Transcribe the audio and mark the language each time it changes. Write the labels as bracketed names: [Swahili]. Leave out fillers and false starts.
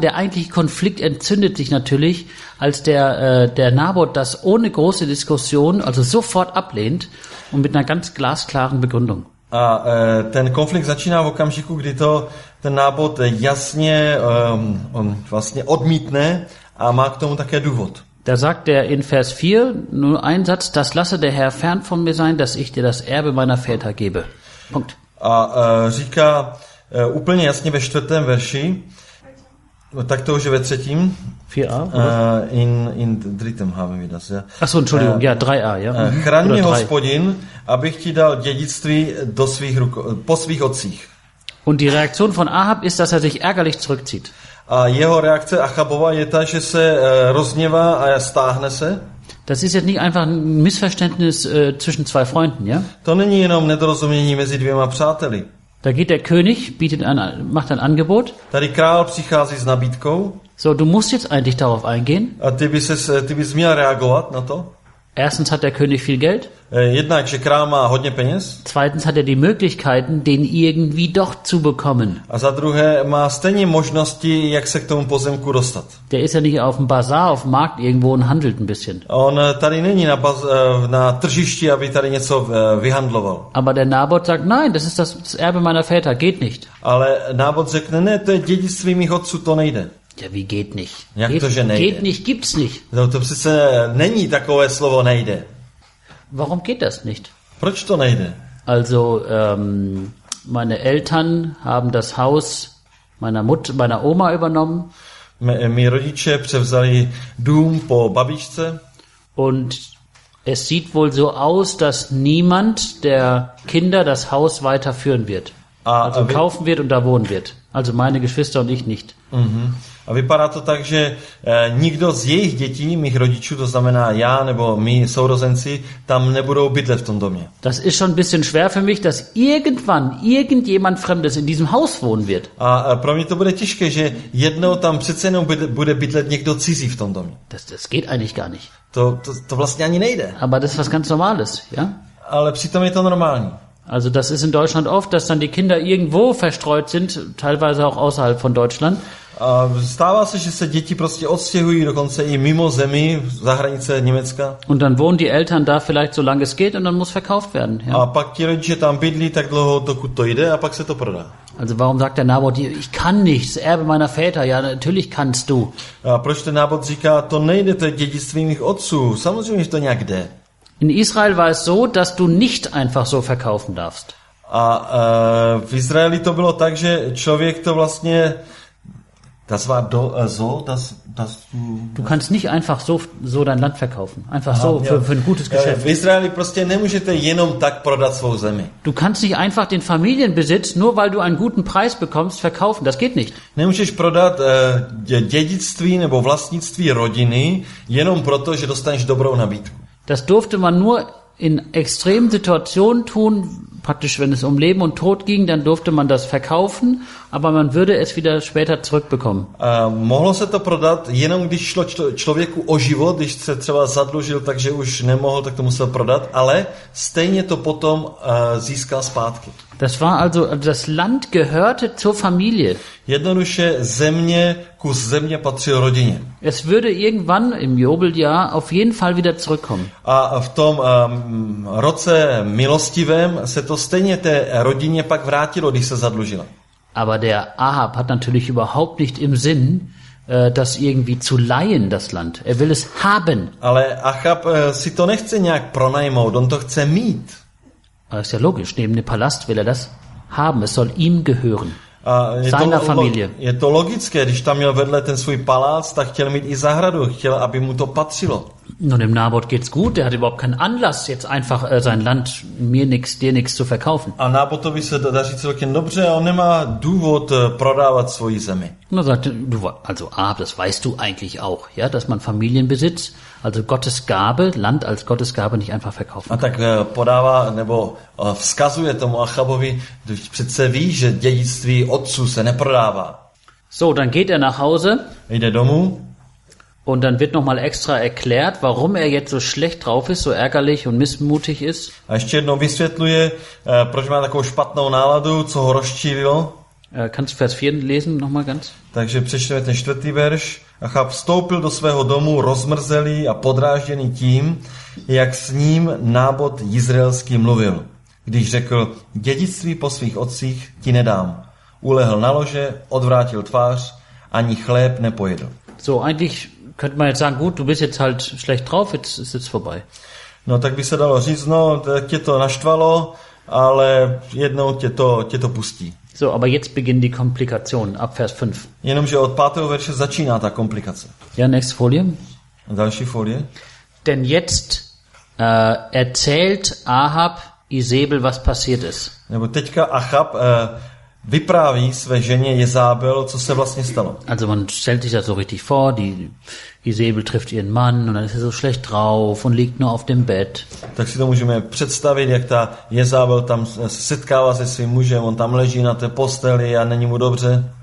[German] Der eigentliche Konflikt entzündet sich natürlich, als der Nabot das ohne große Diskussion, also sofort ablehnt und mit einer ganz glasklaren Begründung. [Czech] A ten konflikt začíná v okamžiku, kdy to ten Nabot jasně vlastně odmítne a má k tomu také důvod. [German] Da sagt er in Vers 4, nur ein Satz, das lasse der Herr fern von mir sein, dass ich dir das Erbe meiner Väter gebe. Punkt. [Czech] A říká úplně jasně ve 4. verši, Tak to už je ve třetím. 4a? [German] In drittem haben wir das, ja. Achso, Entschuldigung, ja, 3a, ja. [Czech] Chraň mě Hospodin, abych ti dal dědictví do svých ruk, po svých otcích. [German] Und die Reaktion von Ahab ist, dass er sich ärgerlich zurückzieht. [Czech] A jeho reakce Achabova je ta, že se rozněvá a stáhne se. [German] Das ist jetzt nicht einfach ein Missverständnis zwischen zwei Freunden, ja? [Czech] To není jenom nedorozumění mezi dvěma přáteli. [German] Da geht der König, bietet ein, macht ein Angebot. [Czech] Tady král přichází s nabídkou. [German] So, du musst jetzt eigentlich darauf eingehen. [Czech] A ty bys měl reagovat na to. [German] Erstens hat der König viel Geld. [Czech] Jednak, že král má hodně peněz. [German] Zweitens hat er die Möglichkeiten, den irgendwie doch zu bekommen. [Czech] A za druhé má stejně možnosti, jak se k tomu pozemku dostat. [German] Der ist ja nicht auf dem Bazar, auf dem Markt irgendwo und handelt ein bisschen. [Czech] On tady není na tržišti, aby tady něco vyhandloval. [German] Aber der Nabot sagt, nein, das ist das Erbe meiner Väter, geht nicht. [Czech] Ale Nabot řekne, ne, to je dědictví mých otců, to nejde. [German] Ja, wie geht nicht? [Czech] Jak [German] geht, [Czech] to, že nejde? [German] Geht nicht, gibt's nicht. [Czech] No, to přece není takové slovo nejde. [German] Warum geht das nicht? [Czech] Proč to nejde? [German] Also, meine Eltern haben das Haus meiner Oma übernommen. [Czech] Mí rodiče převzali dům po babičce. [German] Und es sieht wohl so aus, dass niemand der Kinder das Haus weiterführen wird. Also kaufen wird und da wohnen wird. Also meine Geschwister und ich nicht. [Czech] A vypadá to tak, že nikdo z jejich dětí, mých rodičů, to znamená já nebo my sourozenci, tam nebudou bydlet v tom domě. [German] Das ist schon ein bisschen schwer für mich, dass irgendwann irgendjemand Fremdes in diesem Haus wohnen wird. [Czech] A pro mě to bude těžké, že jednou tam přece jenom bude bydlet někdo cizí v tom domě. [German] Das geht eigentlich gar nicht. [Czech] To vlastně ani nejde. [German] Aber das ist was ganz Normales, ja? [Czech] Ale přitom je to normální. [German] Also das ist in Deutschland oft, dass dann die Kinder irgendwo verstreut sind, teilweise auch außerhalb von Deutschland. [Czech] A stává se, že se děti prostě odstěhují dokonce i mimo zemi, za hranice Německa. [German] Und dann wohnen die Eltern da vielleicht so lange es geht und dann muss verkauft werden. Ja. [Czech] A pak ti rodiče tam bydlí tak dlouho, dokud to jde a pak se to prodá. [German] Also warum sagt der Nabot, ich kann nicht, das Erbe meiner Väter, ja natürlich kannst du. [Czech] A proč ten Nabot říká, to nejde, to je dědictví mých otců, samozřejmě, že to nějak jde. [German] In Israel war es so, dass du nicht einfach so verkaufen darfst. [Czech] A v Izraeli to bylo tak, že člověk to vlastně, [German] das war do, so, dass das, du kannst nicht einfach so dein Land verkaufen, einfach so für ein gutes Geschäft. [Czech] V Izraeli prostě nemůžete jenom tak prodat svou zemi. [German] Du kannst nicht einfach den Familienbesitz nur weil du einen guten Preis bekommst verkaufen, das geht nicht. [Czech] Nemůžeš prodat dědictví nebo vlastnictví rodiny jenom proto, že dostaneš dobrou nabídku. [German] Das durfte man nur in extremen Situationen tun, praktisch wenn es um Leben und Tod ging, dann durfte man das verkaufen, aber man würde es wieder später zurückbekommen. [Czech] Mohlo se to prodat jenom když šlo člověku o život, když se třeba zadlužil, takže už nemohl, tak to musel prodat, ale stejně to potom získal zpátky. [German] Das war also das Land gehörte zur Familie. [Czech] Jednoduše země, kus země patřil rodině. [German] Es würde irgendwann im Jubeljahr auf jeden Fall wieder zurückkommen. [Czech] A v tom roce milostivém se to stejně té rodině pak vrátilo, když se zadlužila. [German] Aber der Ahab hat natürlich überhaupt nicht im Sinn, das irgendwie zu leihen, das Land. Er will es haben. [Czech] Ale Ahab si to nechce nějak pronajmout, on to chce mít. [German] Das ist ja logisch, neben dem Palast will er das haben, es soll ihm gehören. Seiner Familie. [Czech] Je to logické, když tam měl vedle ten svůj palác, tak chtěl mít i zahradu, chtěl, aby mu to patřilo. [German] No, dem Nabot geht's gut, der hat überhaupt keinen Anlass, jetzt einfach sein Land mir nix, dir nix zu verkaufen. [Czech] A Nabotovi se daří celkem dobře, on nemá důvod prodávat svoji zemi. [German] No, sagt, du, also Ahab, das weißt du eigentlich auch, ja, dass man Familienbesitz, also Gottes Gabe, Land als Gottes Gabe nicht einfach verkaufen kann. [Czech] A tak podává, nebo vzkazuje tomu Achabovi, [German] du [Czech] přece víš, že dědictví otců se neprodává. [German] So, dann geht er nach Hause. [Czech] Jde domů. [German] Und dann wird nochmal extra erklärt, warum er jetzt so schlecht drauf ist, so ärgerlich und missmutig ist. [Czech] A ještě jednou vysvětluje, proč má takovou špatnou náladu, co ho rozčívilo. [German] Kannst du Vers 4 lesen nochmal ganz? [Czech] Takže přečteme ten čtvrtý verš. Achab vstoupil do svého domu rozmrzelý a podrážděný tím, jak s ním Nábot Jizraelský mluvil, když řekl, dědictví po svých otcích ti nedám. Ulehl na lože, odvrátil tvář, ani chléb nepojedl. [German] So, eigentlich könnte man jetzt sagen, gut, du bist jetzt halt schlecht drauf, jetzt ist es vorbei. [Czech] No, tak by se dalo říct, no, tě to naštvalo, ale jednou tě to pustí. [German] So, aber jetzt beginnen die Komplikationen ab Vers 5. [Czech] Jenomže od 5. verše začíná ta komplikace. [German] Ja, [English] next [German] folie. [Czech] Další folie. [German] Denn jetzt erzählt Ahab Isabel, was passiert ist. [Czech] Nebo teďka Achab vypráví své ženě Jezábel, co se vlastně stalo. [German] Also man stellt sich das so richtig vor, die Isabel trifft ihren Mann und dann ist er so schlecht drauf und liegt nur auf dem Bett. [Czech] Tak si to můžeme představit, jak ta Jezábel tam se setkává se svým mužem, on tam leží na té posteli a není mu dobře.